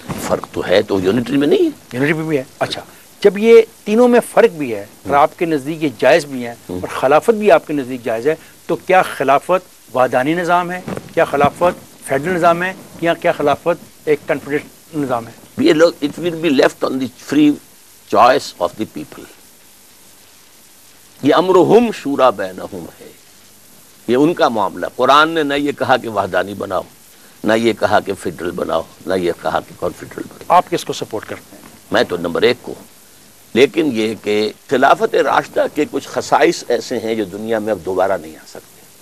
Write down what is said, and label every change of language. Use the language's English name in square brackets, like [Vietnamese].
[Urdu] فرق تو ہے, تو یونٹری میں نہیں ہے. یونٹری میں بھی ہے. اچھا جب یہ تینوں میں فرق بھی ہے اور آپ کے نزدیک یہ جائز بھی ہیں اور خلافت بھی آپ کے نزدیک جائز ہے, تو کیا خلافت وحدانی نظام ہے, کیا خلافت فیڈرل نظام ہے, یا کیا خلافت ایک کنفیڈریٹ نظام ہے؟ یہ لوگ [English] It will be left on the free choice of the people. [Urdu] یہ امرہم شورا بینہم ہے, یہ ان کا معاملہ. قرآن نے نہ یہ کہا کہ وحدانی بناؤ, نہ یہ کہا کہ فیڈرل بناؤ, نہ یہ کہا کہ کنفیڈرل بناؤ. آپ کس کو سپورٹ کرتے ہیں؟ میں تو نمبر ایک کو. لیکن یہ کہ خلافت راشدہ کے کچھ خصائص ایسے ہیں جو دنیا میں اب دوبارہ نہیں آ سکتے.